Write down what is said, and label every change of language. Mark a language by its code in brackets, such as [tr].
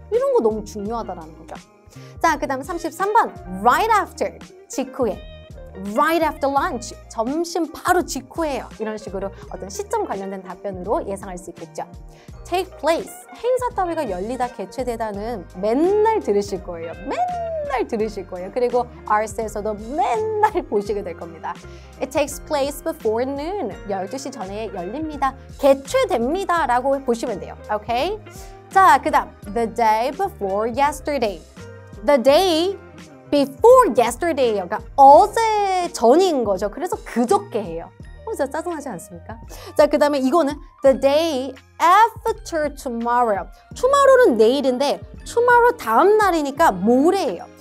[ko] 이런 거 너무 중요하다라는 거죠. 자, 그 다음 33번 right after, 직후에 [en] Right after lunch, [ko] 점심 바로 직후에요. 이런 식으로 어떤 시점 관련된 답변으로 예상할 수 있겠죠. [en] Take place, [ko] 행사 따위가 열리다 개최되다는 맨날 들으실 거예요. 맨날 들으실 거예요. 그리고 RC에서도 맨날 보시게 될 겁니다. [en] It takes place before noon, [ko] 12시 전에 열립니다. 개최됩니다 라고 보시면 돼요. [en] Okay? [ko] 자, 그 다음, [en] the day before yesterday. The day before yesterday, [ko] 그러니까 어제 전인 거죠. 그래서 그저께 해요. 진짜 짜증나지 않습니까? 자, 그 다음에 이거는 [en] the day after tomorrow. [ko] tomorrow는 내일인데 tomorrow 다음 날이니까 모레예요.